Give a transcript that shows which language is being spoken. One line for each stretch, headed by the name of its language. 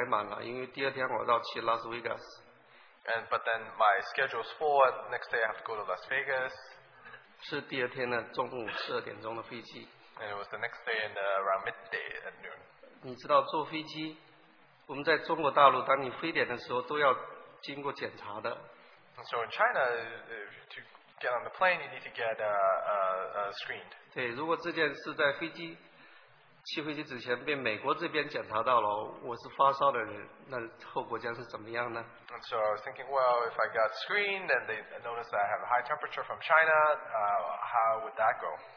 Chinese: 而且我的行程是已经排满了，因为第二天我要去拉斯维加斯。
English: And but then my schedule is full. Next day I have to go to Las Vegas.
Chinese: 是第二天的中午12点钟的飞机。
English: And it was the next day and around midday at noon.
Chinese: 你知道坐飞机，我们在中国大陆，当你非典的时候都要经过检查的。
English: And so in China, get on the plane, you need to get screened.
Chinese: 对，如果这件事在飞机起飞机之前被美国这边检查到了，我是发烧的人，那后果将是怎么样呢？
English: And so I was thinking, well, if I got screened and they noticed that I have a high temperature from China, how would that go?